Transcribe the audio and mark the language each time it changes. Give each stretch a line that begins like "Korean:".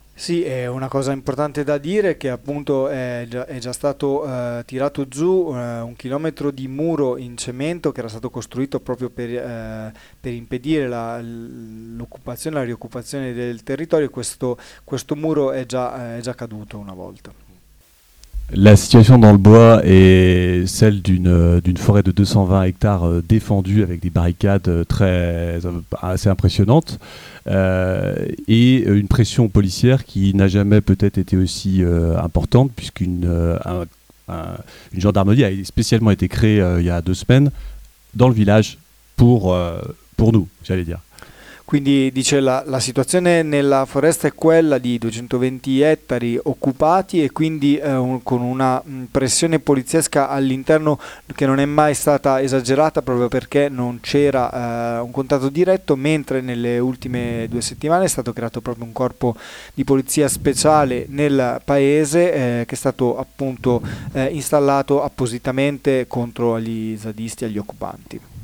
Italian: Sì, è una cosa importante da dire che appunto è già stato tirato giù un chilometro di muro in cemento che era stato costruito proprio per impedire l'occupazione, la rioccupazione del territorio. Questo muro è già caduto una volta.
French: La situation dans le bois est celle d'une forêt de 220 hectares défendue avec des barricades assez impressionnantes et une pression policière qui n'a jamais peut-être été aussi importante puisqu'une gendarmerie a spécialement été créée il y a deux semaines dans le village pour nous, j'allais dire.
Italian: Quindi dice la situazione nella foresta è quella di 220 ettari occupati e quindi con una pressione poliziesca all'interno che non è mai stata esagerata proprio perché non c'era un contatto diretto, mentre nelle ultime 2 settimane è stato creato proprio un corpo di polizia speciale nel paese che è stato appunto installato appositamente contro gli zadisti e agli occupanti.